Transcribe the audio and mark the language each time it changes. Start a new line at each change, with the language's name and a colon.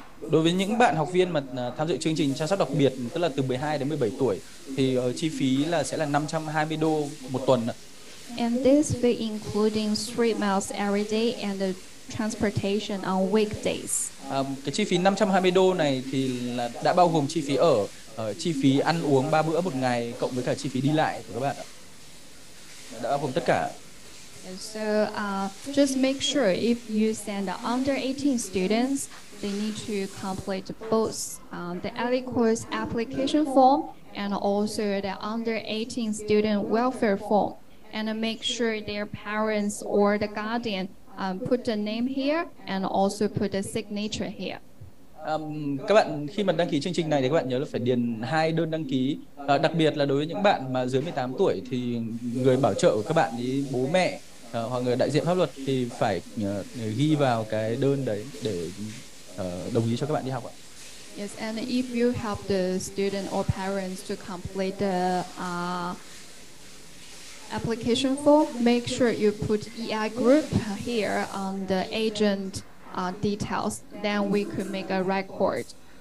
Vietnamese: Đối với những bạn học viên mà tham dự chương trình chăm sóc đặc biệt tức là từ 12 đến 17 tuổi thì chi phí là sẽ là 520 đô một tuần ạ.
English: And this fee including 3 meals every day and the transportation on weekdays.
Vietnamese: Cái chi phí 520 đô này thì là đã bao gồm chi phí ở, chi phí ăn uống 3 bữa một ngày cộng với cả chi phí đi lại của các bạn ạ. Đã bao gồm tất cả.
English: So just make sure if you send under 18 students, they need to complete both the ELLI course application form and also the under 18 student welfare form, and make sure their parents or the guardian put the name here and also put the signature here.
Vietnamese: Các bạn khi mà đăng ký chương trình này thì các bạn nhớ là phải điền hai đơn đăng ký, đặc biệt là đối với những bạn mà dưới 18 tuổi thì người bảo trợ của các bạn ý, bố mẹ hoặc người đại diện pháp luật thì phải ghi vào cái đơn đấy để đồng ý cho các bạn đi học ạ.
English: Yes, and if you help the student or parents to complete the application form, make sure you put EI group here on the agent details, then we could make a record.